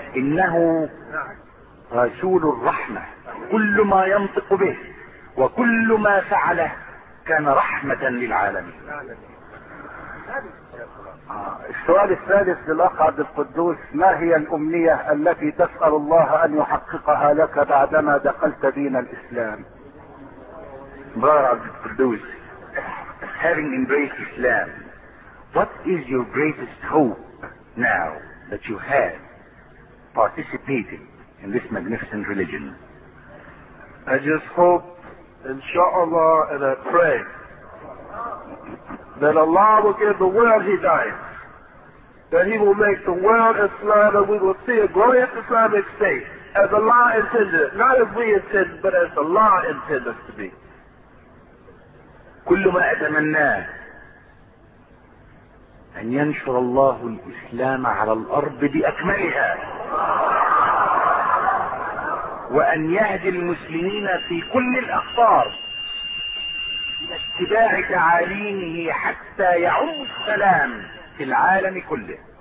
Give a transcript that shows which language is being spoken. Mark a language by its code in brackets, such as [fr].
[ar] إنه رسول الرحمة، كل ما ينطق به وكل ما فعله كان رحمة للعالمين. السؤال الثالث للأخ عبد القدوس، ما هي الأمنية التي تسأل الله أن يحققها لك بعدما دخلت دين الإسلام؟ مبارك عبد القدوس، [en] having embraced Islam, what is your greatest hope now that you have participated in this magnificent religion? I just hope, inshallah, and I pray that Allah will give the world hidayah, that He will make the world Islam, and we will see a glorious Islamic state as Allah intended, not as we intend, but as Allah intended us to be. [ar] كل ما أتمناه أن ينشر الله الإسلام على الأرض بأكملها، وأن يهدي المسلمين في كل الأقطار لاتباع تعاليمه حتى يعم السلام في العالم كله.